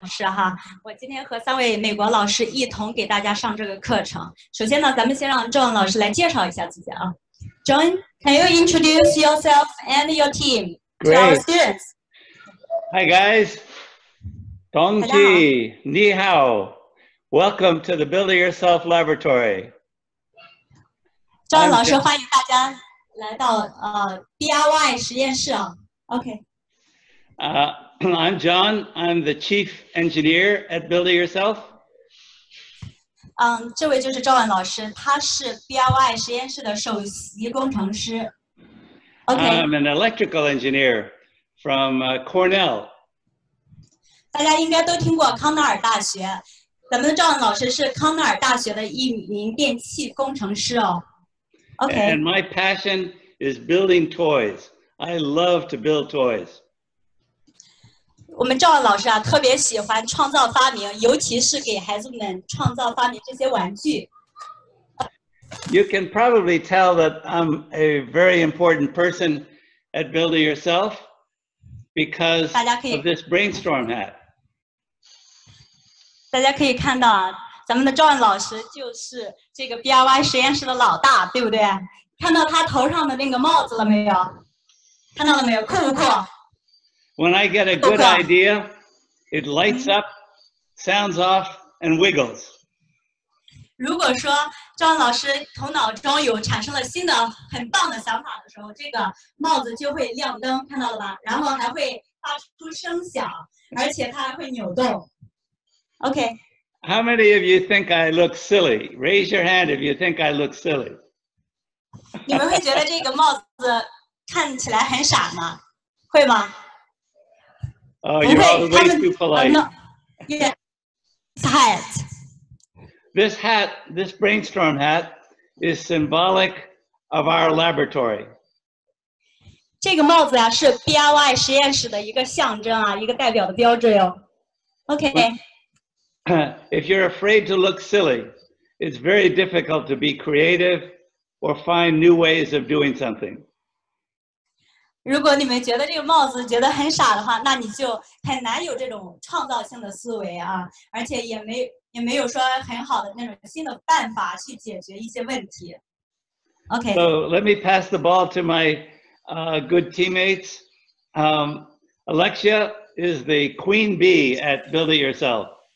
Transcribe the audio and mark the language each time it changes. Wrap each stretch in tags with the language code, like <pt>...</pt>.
<zh>是哈，我今天和三位美国老师一同给大家上这个课程。首先呢，咱们先让 John 老师来介绍一下自己啊。</zh> <en>John, can you introduce yourself and your team to our students? Hi guys, Dong Qi, Ni Hao, welcome to the Build Yourself Laboratory.</en> <zh>John 老师，欢迎大家来到DIY 实验室啊。OK。</zh> <en>I'm John. I'm the chief engineer at Build It Yourself.</en> <zh>这位就是赵婉老师，他是 DIY 实验室的首席工程师。</zh> <en>Okay. I'm an electrical engineer from Cornell.</en> <zh>大家应该都听过康奈尔大学，咱们的赵婉老师是康奈尔大学的一名电气工程师哦。</zh> <en>Okay. And my passion is building toys. I love to build toys.</en> <zh>我们赵老师啊，特别喜欢创造发明，尤其是给孩子们创造发明这些玩具。</zh> <en>You can probably tell that I'm a very important person at Building Yourself because of this brainstorm hat.</en> <zh>大家可以看到啊，咱们的赵老师就是这个 BIY 实验室的老大，对不对？看到他头上的那个帽子了没有？看到了没有？酷不酷？</zh> <en>When I get a good idea, it lights up, sounds off, and wiggles.</en> <zh>如果说张老师头脑中有产生了新的很棒的想法的时候，这个帽子就会亮灯，看到了吧？然后还会发出声响，而且它还会扭动。</zh> <en>Okay. How many of you think I look silly? Raise your hand if you think I look silly.</en> <zh>你们会觉得这个帽子看起来很傻吗？会吗？</zh> <en>Oh, you're all way too polite. Yeah. This hat, this brainstorm hat, is symbolic of our laboratory.</en> <zh>这个帽子啊，是 BIY 实验室的一个象征啊，一个代表的标志哟。</zh> <en>Okay. If you're afraid to look silly, it's very difficult to be creative or find new ways of doing something.</en> <zh>如果你们觉得这个帽子觉得很傻的话，那你就很难有这种创造性的思维啊，而且也没有说很好的那种新的办法去解决一些问题。</zh> <en>Okay. So let me pass the ball to my good teammates. Alexia is the queen bee at Build It Yourself.</en>